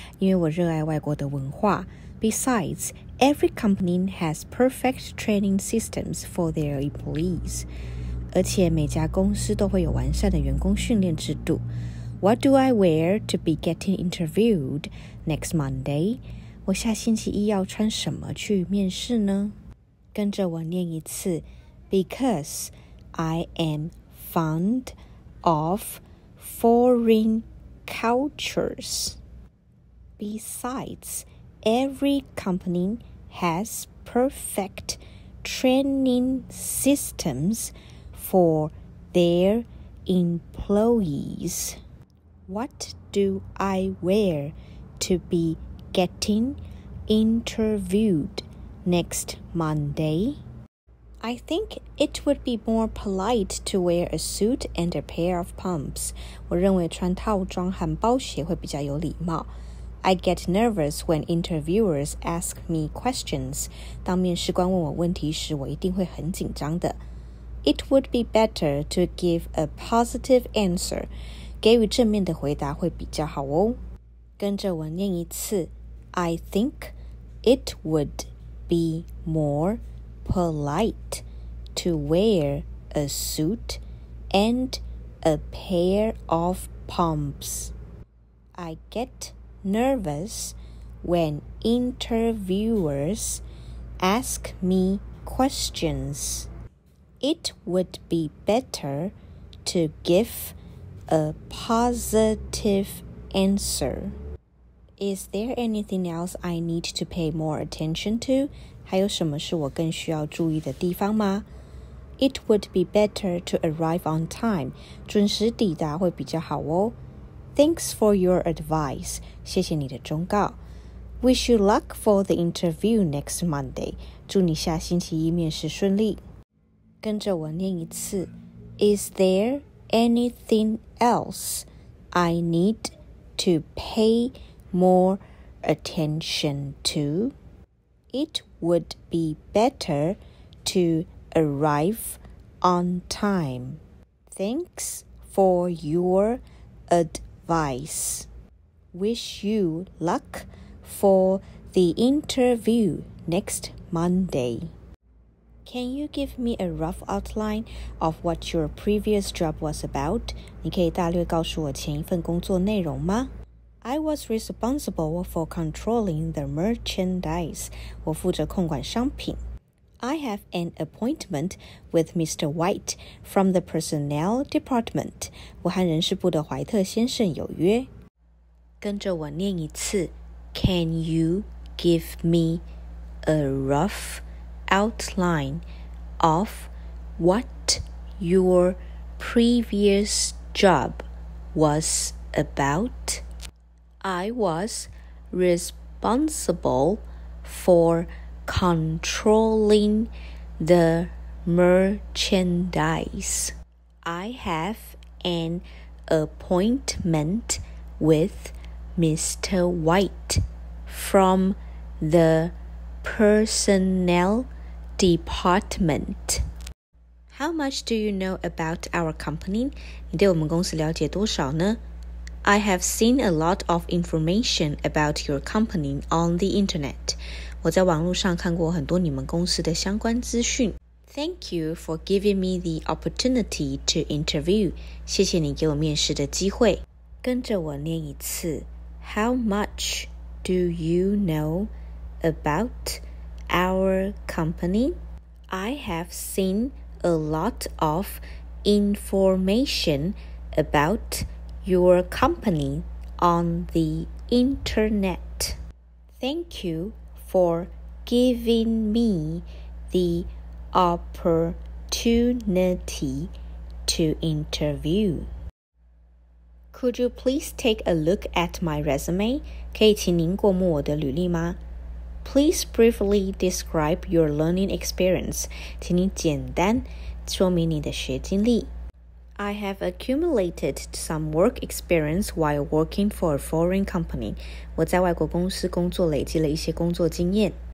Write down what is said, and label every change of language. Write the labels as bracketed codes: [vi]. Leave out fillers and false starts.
[zh] 因为我热爱外国的文化。 [en] Besides, every company has perfect training systems for their employees. [zh] 而且每家公司都会有完善的员工训练制度。 [en] What do I wear to be getting interviewed next Monday? [zh] 我下星期一要穿什么去面试呢？跟着我念一次。 [en] Because I am fond of foreign cultures. Besides, every company has perfect training systems for their employees. What do I wear to be getting interviewed next Monday? I think it would be more polite to wear a suit and a pair of pumps. [zh] 我认为穿套装和包鞋会比较有礼貌。 [en] I get nervous when interviewers ask me questions. [zh] 当面试官问我问题时，我一定会很紧张的。 [en] It would be better to give a positive answer. [zh] 给予正面的回答会比较好哦。跟着我念一次。 [en] I think it would be more... polite to wear a suit and a pair of pumps. I get nervous when interviewers ask me questions. It would be better to give a positive answer. Is there anything else I need to pay more attention to? [zh] 还有什么是我更需要注意的地方吗? [en] It would be better to arrive on time. [zh] 准时抵达会比较好哦。 [en] Thanks for your advice. [zh] 谢谢你的忠告。 [en] Wish you luck for the interview next Monday. [zh] 祝你下星期一面试顺利。跟着我念一次。 [en] Is there anything else I need to pay more attention to? It would be better to arrive on time. Thanks for your advice. Wish you luck for the interview next Monday. Can you give me a rough outline of what your previous job was about? [zh] 你可以大略告诉我前一份工作内容吗？ [en] I was responsible for controlling the merchandise. [zh] 我负责控管商品。 [en] I have an appointment with Mr. White from the personnel department. [zh] 我和人事部的怀特先生有约。跟着我念一次。 [en] Can you give me a rough outline of what your previous job was about? I was responsible for controlling the merchandise. I have an appointment with Mr. White from the personnel department. How much do you know about our company? [zh] 你对我们公司了解多少呢？ [en] I have seen a lot of information about your company on the internet. [zh] 我在网络上看过很多你们公司的相关资讯。 [en] Thank you for giving me the opportunity to interview. [zh] 谢谢你给我面试的机会。跟着我念一次。 [en] How much do you know about our company? I have seen a lot of information aboutyour company on the internet. Thank you for giving me the opportunity to interview. Could you please take a look at my resume? [zh] 可以请您过目我的履历吗? [en] Please briefly describe your learning experience. [zh] 请您简单说明你的学经历。 [en] I have accumulated some work experience while working for a foreign company. [zh] 我在外国公司工作累积了一些工作经验。